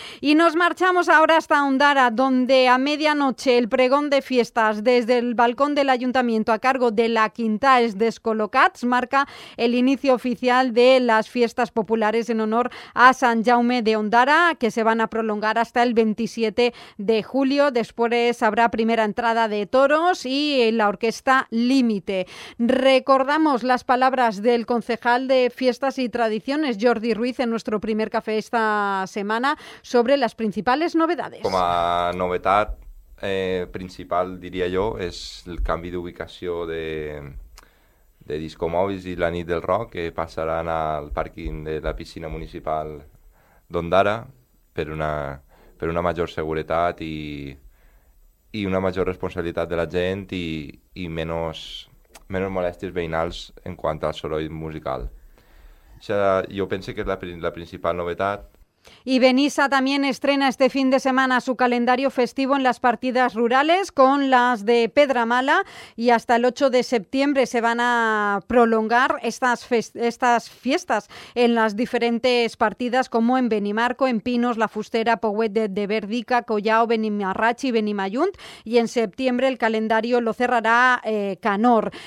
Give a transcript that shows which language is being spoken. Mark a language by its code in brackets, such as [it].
[es] Y nos marchamos ahora hasta Ondara, donde a medianoche el pregón de fiestas desde el balcón del ayuntamiento a cargo de la Quintaes Descolocats marca el inicio oficial de las fiestas populares en honor a San Jaume de Ondara, que se van a prolongar hasta el 27 de julio. Después habrá primera entrada de toros y la orquesta Límite. Recordamos las palabras del concejal de Fiestas y Tradiciones, Jordi Ruiz, en nuestro primer café esta semana, sobre las principales novedades. [ca] Com a novetat principal, diria jo, és el canvi d'ubicació de discomòbils i la nit del rock, que passaran al pàrquing de la piscina municipal d'Ondara per una major seguretat i una major responsabilitat de la gent i menys molèsties veïnals en quant al soroll musical. Jo penso que és la principal novetat. [es] Y Benissa también estrena este fin de semana su calendario festivo en las partidas rurales con las de Pedramala y hasta el 8 de septiembre se van a prolongar estas fiestas en las diferentes partidas como en Benimarco, en Pinos, La Fustera, Pouet de Verdica, Collao, Benimarrachi, Benimayunt y en septiembre el calendario lo cerrará Canor.